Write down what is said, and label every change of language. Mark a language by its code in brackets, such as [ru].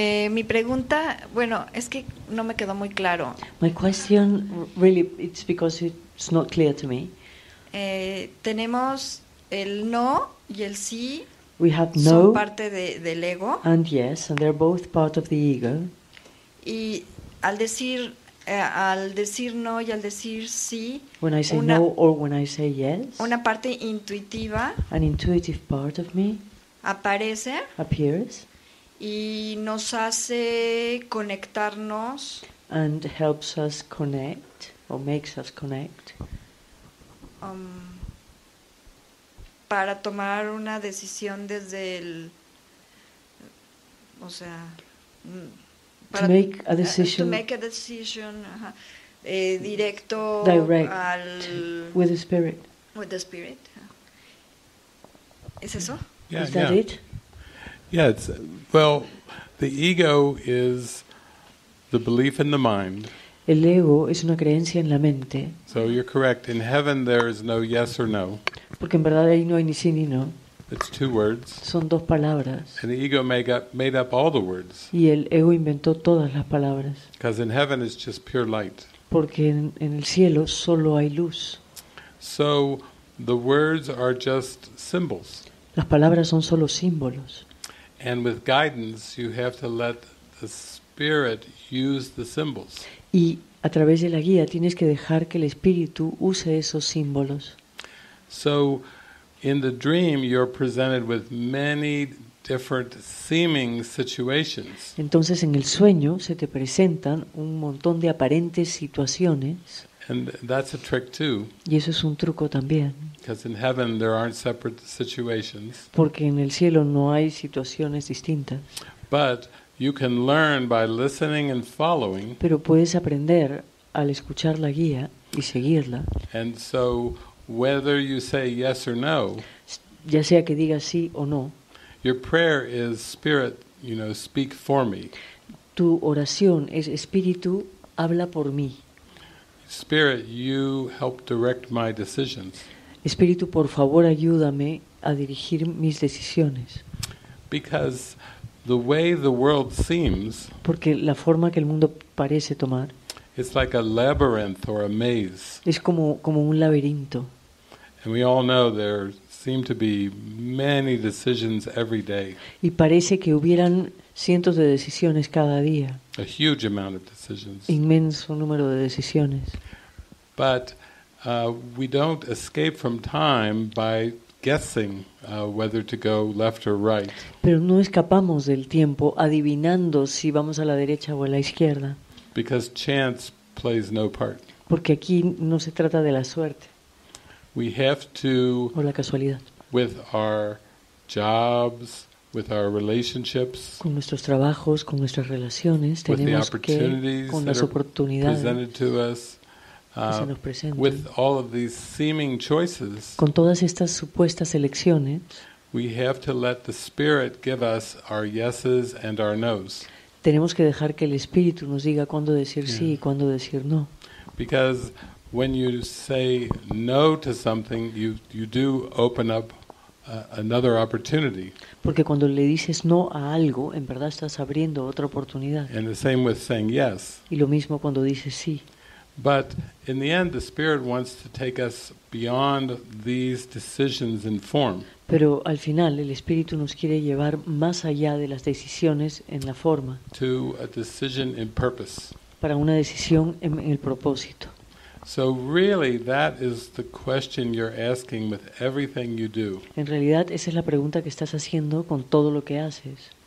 [es] Mi pregunta, bueno, es que no me quedó muy claro. [en] My question, really, it's because it's not clear to me. [es] Tenemos el no y el sí. [en] We have no. [es] Son parte del ego. [en] And yes, and they're both part of the ego. [es] Y al decir no y al decir sí. [en] When I say no or when I say yes. [es] Una parte intuitiva. [en] An intuitive part of me. [es] Aparece. [en] Appears. [es] Y nos hace conectarnos. [en] And helps us connect, or makes us connect. [es] Para tomar una decisión desde el... O sea... Para, [en] to make a decision. To make a decision. Uh-huh. [es] Directo [en] direct [es] al... [en] With the spirit. With the spirit. [es] ¿Es eso? [en] Yeah, is that yeah. it? Yeah, it's well, the ego is the belief in the mind. [es] El ego es una creencia en la mente. [en] So you're correct. In heaven, there is no yes or no. [es] Porque en verdad ahí no hay ni sí ni no. [en] It's two words. [es] Son dos palabras. [en] And the ego made up all the words. [es] Y el ego inventó todas las palabras. [en] Because in heaven is just pure light. [es] Porque en el cielo solo hay luz. [en] So the words are just symbols. [es] Las palabras son solo símbolos. [en] And with guidance, you have to let the spirit use the symbols. [es] Y a través de la guía tienes que dejar que el espíritu use esos símbolos. [en] So, in the dream, you're presented with many different seeming situations. [es] Entonces, en el sueño se te presentan un montón de aparentes situaciones. [en] And that's a trick too. [es] Y eso es un truco también. [en] Because in heaven there aren't separate situations. [es] Porque en el cielo no hay situaciones distintas. [en] But you can learn by listening and following. [es] Pero puedes aprender al escuchar la guía y seguirla. [en] And so whether you say yes or no, [es] ya sea que digas sí o no, [en] your prayer is spirit, you know, speak for me. [es] Tu oración es espíritu, habla por mí. [en] Spirit, you help direct my decisions. [es] Espíritu, por favor, ayúdame a dirigir mis decisiones. [en] Because the way the world seems. [es] Porque la forma que el mundo parece tomar. [en] It's like a labyrinth or a maze. [es] Es como un laberinto. [en] And we all know there seem to be many decisions every day. [es] Y parece que hubieran cientos de decisiones cada día. [en] A huge amount of decisions. [es] Inmenso número de decisiones. [en] But we don't escape from time by guessing whether to go left or right. [es] Pero no escapamos del tiempo adivinando si vamos a la derecha o a la izquierda. [en] Because chance plays no part. [es] Porque aquí no se trata de la suerte. [en] We have to. [es] O la casualidad. [en] With our jobs. With our relationships, [es] con nuestros trabajos, con nuestras relaciones, tenemos que con las oportunidades que se nos presentan, [en] with all of these seeming choices, [es] con todas estas supuestas elecciones, [en] we have to let the spirit give us our yeses and our noes. [es] Tenemos que dejar que el espíritu nos diga cuándo decir sí y cuándo decir no. [en] Because when you say no to something, you do open up another opportunity. [es] Porque cuando le dices no a algo, en verdad estás abriendo otra oportunidad. [en] And the same with saying yes. [es] Y lo mismo cuando dices sí. [en] But in the end, the spirit wants to take us beyond these decisions in form. [es] Pero al final, el espíritu nos quiere llevar más allá de las decisiones en la forma. [en] To a decision in purpose. [es] Para una decisión en el propósito. [en] So really, that is the question you're asking with everything you do. [es] En realidad, esa es la pregunta que estás haciendo con todo lo que haces.